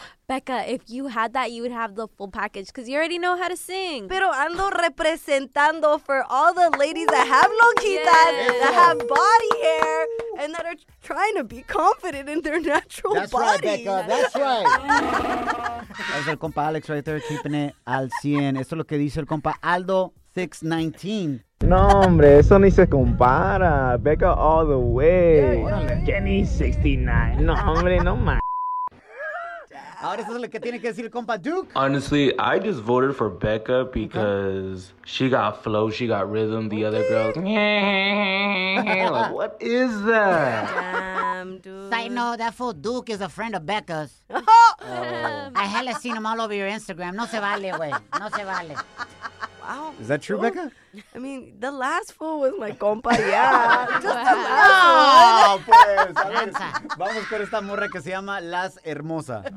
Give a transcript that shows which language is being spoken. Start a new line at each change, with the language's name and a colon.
English: Becca, if you had that, you would have the full package because you already know how to sing.
Spanish: Pero ando representando
English: for all the ladies that have lonjitas, yes. that have body hair, and that are trying to be confident in their natural That's body. That's right, Becca. That's right. That was el compa Alex right there keeping it al 100.
Spanish: Esto es lo que dice el compa Aldo 619. No, hombre, eso ni se compara.
English: Becca all the way. Yeah, yeah.
Spanish: Jenny 69. No, hombre, no más. Ahora eso es lo que tiene que decir el compa Duke.
English: Honestly, I just voted for Becca because she got flow, she got rhythm. The other girls, like, what is that? Damn, dude. Side note, that fool Duke is a friend of Becca's. I hella seen him all over your Instagram.
Spanish: No se vale, güey. No se vale.
English: Wow. Is that true, Becca? I mean, the last fool was my compa, yeah. Just the last
Spanish: Vamos con esta morra que se llama Las Hermosa.